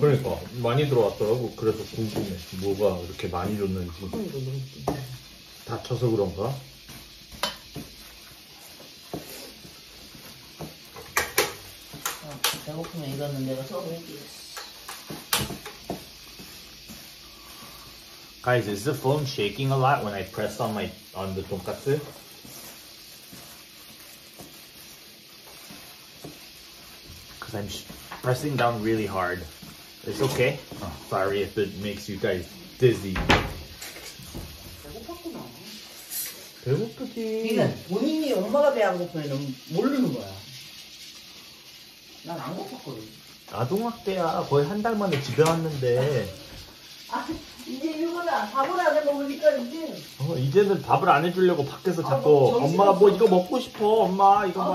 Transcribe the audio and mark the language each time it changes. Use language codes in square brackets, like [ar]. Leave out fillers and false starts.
[ko] 그러니까 많이 들어왔더라고. 그래서 궁금해. 뭐가 이렇게 많이 줬는지. 다쳐서 그런가? 배고프면 이거는 내가 처음에 [en] Guys, is the phone shaking a lot when I press on my on the tonkatsu? Cause I'm pressing down really hard. It's okay. Oh, sorry if it makes you guys dizzy. [ko] 배고팠구나. 배고프지. 그러니까 본인이 엄마가 배고프면 모르는 거야. 난 안 고팠거든. 아동학대야. 거의 한 달 만에 집에 왔는데. 이제 일본아 밥을 안 해 먹으니까 이제 어 이제는 밥을 안 해주려고 밖에서 자꾸 아, 엄마가 뭐 이거 먹고 싶어 엄마 이거 어.